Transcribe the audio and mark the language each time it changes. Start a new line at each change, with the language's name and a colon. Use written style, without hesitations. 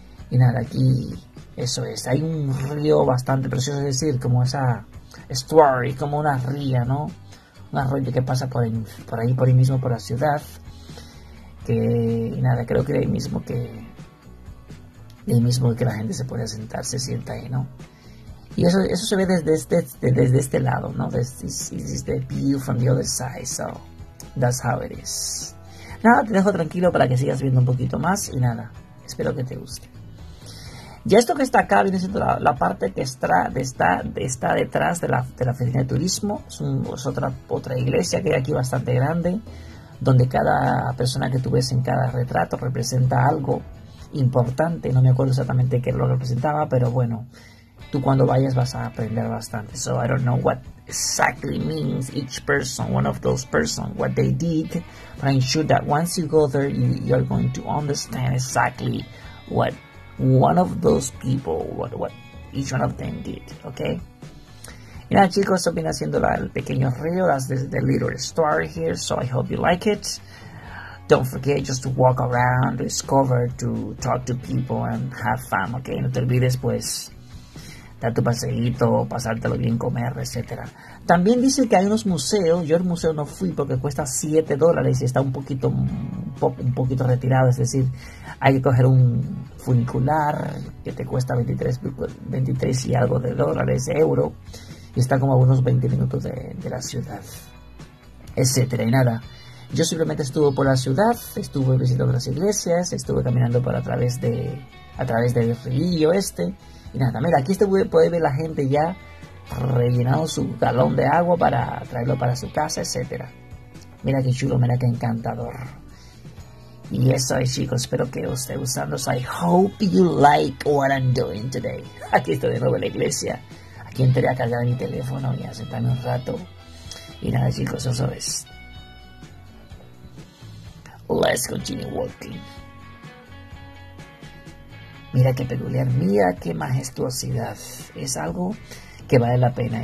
Spanish: Y nada, aquí eso es. Hay un río bastante precioso, es decir, como esa estuary, como una ría, ¿no? Un arroyo que pasa por ahí mismo, por la ciudad. Que y nada, creo que de ahí mismo que la gente se puede sentar, se sienta ahí, ¿no? Y eso se ve desde este lado, ¿no?
English: This is the view from the other side, so that's how it is.
Spanish: Nada, te dejo tranquilo para que sigas viendo un poquito más y nada, espero que te guste. Ya esto que está acá viene siendo la parte que está detrás de la oficina de turismo. Es otra iglesia que hay aquí bastante grande, donde cada persona que tú ves en cada retrato representa algo importante. No me acuerdo exactamente qué lo representaba, pero bueno, tú cuando vayas vas a aprender bastante.
English: So I don't know what exactly means each person, one of those persons, what they did, but I'm sure that once you go there, you're going to understand exactly what one of those people, what each one of them did, okay?
Spanish: Y nada, chicos, eso viene haciendo el pequeño río,
English: that's the little story here, so I hope you like it. Don't forget just to walk around, discover, to talk to people and have fun, okay?
Spanish: No te olvides, pues, dar tu paseíto, pasártelo bien, comer, etc. También dice que hay unos museos. Yo el museo no fui porque cuesta $7 y está un poquito retirado. Es decir, hay que coger un funicular que te cuesta 23 y algo de dólares, euro. Y está como a unos 20 minutos de la ciudad, etc. Y nada, yo simplemente estuve por la ciudad, estuve visitando las iglesias, estuve caminando por a través del río este. Y nada, mira, aquí puede ver la gente ya rellenando su galón de agua para traerlo para su casa, etc. Mira qué chulo, mira qué encantador. Y eso es, chicos, espero que os esté gustando.
English: So I hope you like what I'm doing today.
Spanish: Aquí estoy de nuevo en la iglesia. Aquí entré a cargar mi teléfono y a sentarme un rato. Y nada, chicos, eso es.
English: Let's continue walking.
Spanish: Mira qué peculiar, mira qué majestuosidad. Es algo que vale la pena.